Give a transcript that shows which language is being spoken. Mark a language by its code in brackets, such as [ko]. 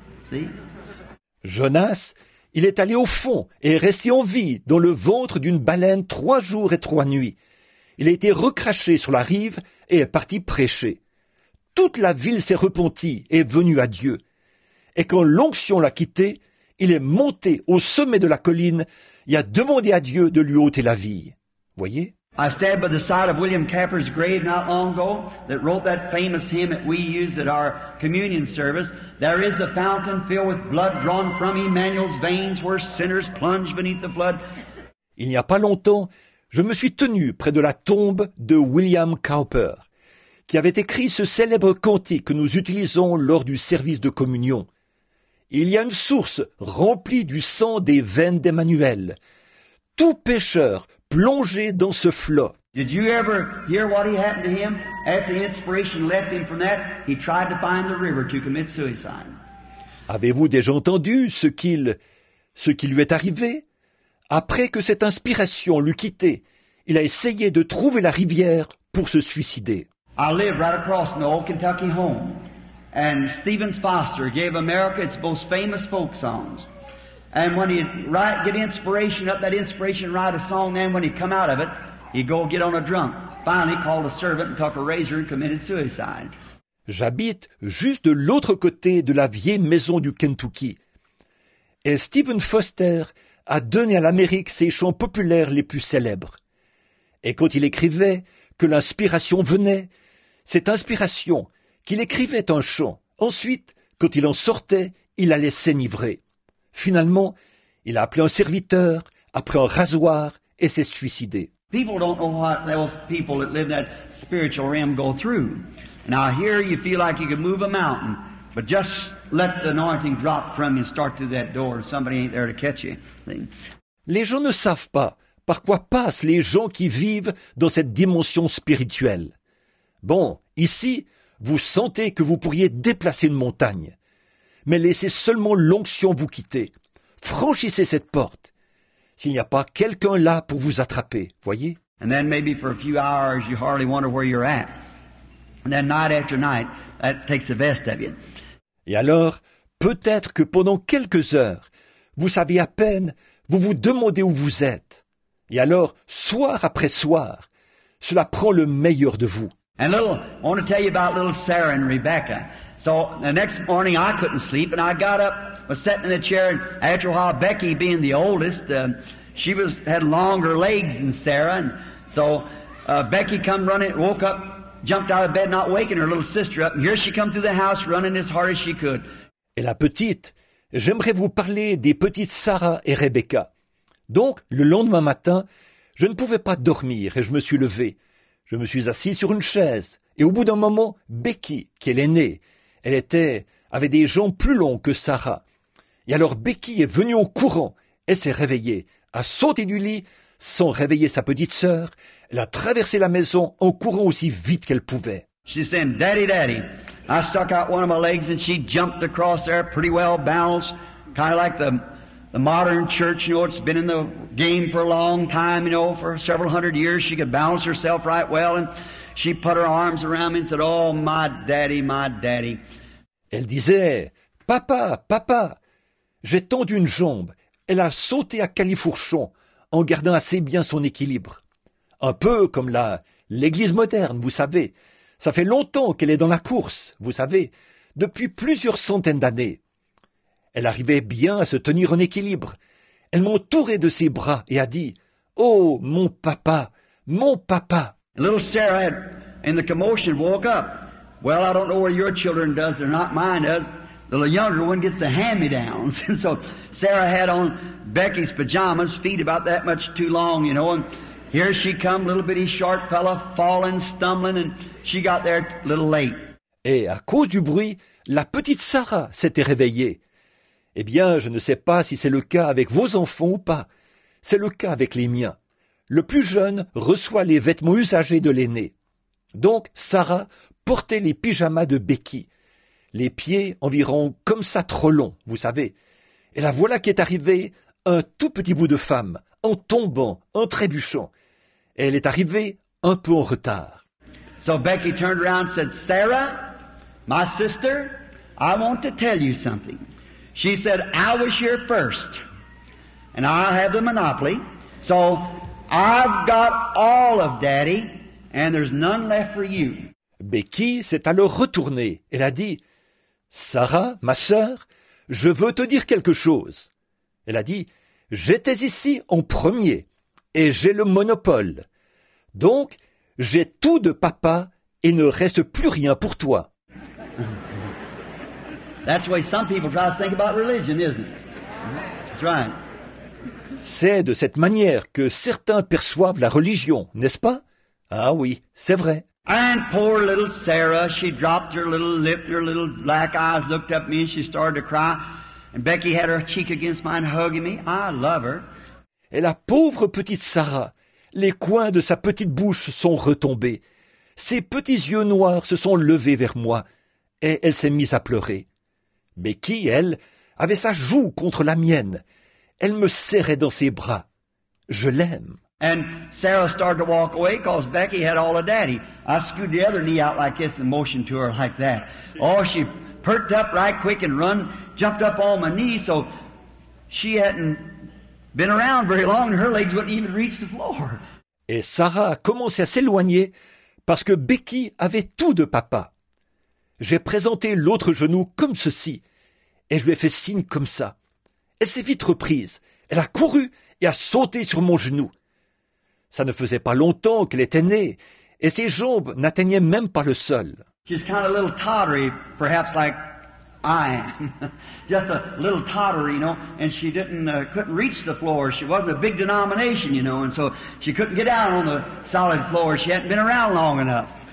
[en] See? [fr] Jonas, il est allé au fond et est resté en vie dans le ventre d'une baleine 3 jours et 3 nuits. Il a été recraché sur la rive et est parti prêcher. Toute la ville s'est repentie et est venue à Dieu. Et quand l'onction l'a quitté, il est monté au sommet de la colline et a demandé à Dieu de lui ôter la vie. Voyez? [en] I stand by the side of William Capper's grave not long ago that wrote that famous hymn that we used at our communion service. There is a fountain filled with blood drawn from Emmanuel's veins where sinners plunge beneath the flood. [fr] Il n'y a pas longtemps, je me suis tenu près de la tombe de William Cowper, qui avait écrit ce célèbre cantique que nous utilisons lors du service de communion. Il y a une source remplie du sang des veines d'Emmanuel. tout pécheur plongé dans ce flot. [en] Did you ever hear what happened to him? After inspiration left him from that, he tried to find the river to commit suicide. [fr] Avez-vous déjà entendu ce qui lui est arrivé? Après que cette inspiration l'eût quitté, il a essayé de trouver la rivière pour se suicider. [en] I live right across from the old Kentucky home, and Stephen Foster gave America its most famous folk songs. And when he'd write, get inspiration up, that inspiration, write a song, then when he'd come out of it, he'd go get on a drunk. Finally, called a servant and took a razor and committed suicide. [fr] J'habite juste de l'autre côté de la vieille maison du Kentucky. Et Stephen Foster a donné à l'Amérique ses chants populaires les plus célèbres. Et quand il écrivait que l'inspiration venait, cette inspiration qu'il écrivait un chant, ensuite, quand il en sortait, il allait s'enivrer. Finalement, il a appelé un serviteur, a pris un rasoir et s'est suicidé. [en] People don't know what those people that live in that spiritual realm go through. Now here you feel like you can move a mountain, but just let the anointing drop from you and start through that door. Somebody ain't there to catch you. [fr] Les gens ne savent pas par quoi passent les gens qui vivent dans cette dimension spirituelle. Bon, ici, vous sentez que vous pourriez déplacer une montagne. Mais laissez seulement l'onction vous quitter. Franchissez cette porte. S'il n'y a pas quelqu'un là pour vous attraper, voyez. [en] And then maybe for a few hours you hardly wonder where you're at. And then night after night, that takes the best of you. [fr] Et alors, peut-être que pendant quelques heures, vous savez à peine, vous vous demandez où vous êtes. Et alors, soir après soir, cela prend le meilleur de vous. [en] And little, I want to tell you about little Sarah and Rebecca. So the next morning I couldn't sleep and I got up, was sitting in a chair, and after a while Becky being the oldest, she was had longer legs than Sarah, and so Becky come running, woke up, jumped out of bed not waking her little sister up, and here she come through the house running as hard as she could. [fr] Et la petite, j'aimerais vous parler des petites Sarah et Rebecca. Donc le lendemain matin, je ne pouvais pas dormir et je me suis levé. Je me suis assis sur une chaise et au bout d'un moment, Becky, qui est l'aînée, avait des jambes plus longues que Sarah. Et alors Becky est venue en courant et s'est réveillée, a sauté du lit sans réveiller sa petite sœur. Elle a traversé la maison en courant aussi vite qu'elle pouvait. [en] She said, Daddy, Daddy, I stuck out one of my legs and she jumped across there pretty well balanced, kind of like the modern church, you know, it's been in the game for a long time, you know, for several hundred years, she could balance herself right well, and she put her arms around me and said, oh, my daddy, my daddy. [fr] Elle disait, papa, papa, j'ai tendu une jambe, elle a sauté à califourchon en gardant assez bien son équilibre. Un peu comme l'église moderne, vous savez, ça fait longtemps qu'elle est dans la course, vous savez, depuis plusieurs centaines d'années. Elle arrivait bien à se tenir en équilibre. Elle m'entourait de ses bras et a dit, « Oh, mon papa, mon papa !» [en] Little Sarah, had, in the commotion, woke up. Well, I don't know what your children does, they're not mine does. The younger one gets the hand-me-downs. And so Sarah had on Becky's pajamas, feet about that much too long, you know. And here she come, little bitty short fella, falling, stumbling, and she got there a little late. [fr] Et à cause du bruit, la petite Sarah s'était réveillée. Eh bien, je ne sais pas si c'est le cas avec vos enfants ou pas. C'est le cas avec les miens. Le plus jeune reçoit les vêtements usagés de l'aîné. Donc, Sarah portait les pyjamas de Becky. Les pieds environ comme ça trop longs, vous savez. Et la voilà qui est arrivée, un tout petit bout de femme, en tombant, en trébuchant. Et elle est arrivée un peu en retard. [en] So Becky turned around and said, Sarah, my sister, I want to tell you something. She said, I was here first, and I have the monopoly, so I've got all of Daddy, and there's none left for you. [fr] Becky s'est alors retournée. Elle a dit, Sarah, ma sœur, je veux te dire quelque chose. Elle a dit, j'étais ici en premier, et j'ai le monopole. Donc, j'ai tout de papa, et ne reste plus rien pour toi. [en] That's the way some people try to think about religion, isn't it? That's right. [fr] C'est de cette manière que certains perçoivent la religion, n'est-ce pas? Ah oui, c'est vrai. [en] And poor little Sarah, she dropped her little lip, her little black eyes, looked up at me and she started to cry. And Becky had her cheek against mine, hugging me. I love her. [fr] Et la pauvre petite Sarah, les coins de sa petite bouche sont retombés. Ses petits yeux noirs se sont levés vers moi et elle s'est mise à pleurer. Becky, elle, avait sa joue contre la mienne. Elle me serrait dans ses bras. Je l'aime. [en] And Sarah started to walk away because Becky had all of Daddy. I screwed the other knee out like this and motioned to her like that. Oh, she perked up right quick and run, jumped up on my knee, so she hadn't been around very long and her legs wouldn't even reach the floor. [fr] Et Sarah a commencé à s'éloigner parce que Becky avait tout de papa. J'ai présenté l'autre genou comme ceci et je lui ai fait signe comme ça. Elle s'est vite reprise. Elle a couru et a sauté sur mon genou. Ça ne faisait pas longtemps qu'elle était née et ses jambes n'atteignaient même pas le sol. [en] She's kind of a little tottery, perhaps like I am. Just a little tottery, you know, and she couldn't reach the floor. She wasn't a big denomination, you know, and so she couldn't get down on the solid floor. She hadn't been around long enough.